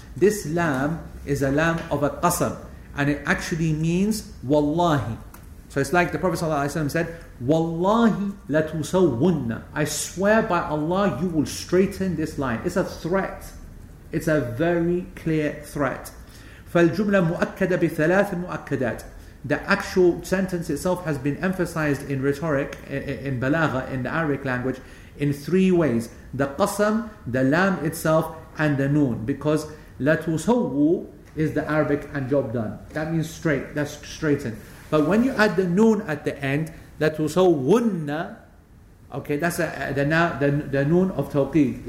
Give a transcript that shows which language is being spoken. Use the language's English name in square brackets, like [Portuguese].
[English] This lam is a lam of a qasam, and it actually means wallahi. So it's like the Prophet ﷺ said, Wallahi latusawunna. I swear by Allah, you will straighten this line. It's a threat. It's a very clear threat. [Arabic] فالجملة مؤكدة بثلاث مؤكدات. [English] The actual sentence itself has been emphasized in rhetoric, in balagha, in the Arabic language, in three ways. The qasam, the lam itself, and the noon. Because latusawwu is the Arabic and job done. That means straight, that's straightened. But when you add the noon at the end, latusawwunna, okay, that's the noon of tawqeed.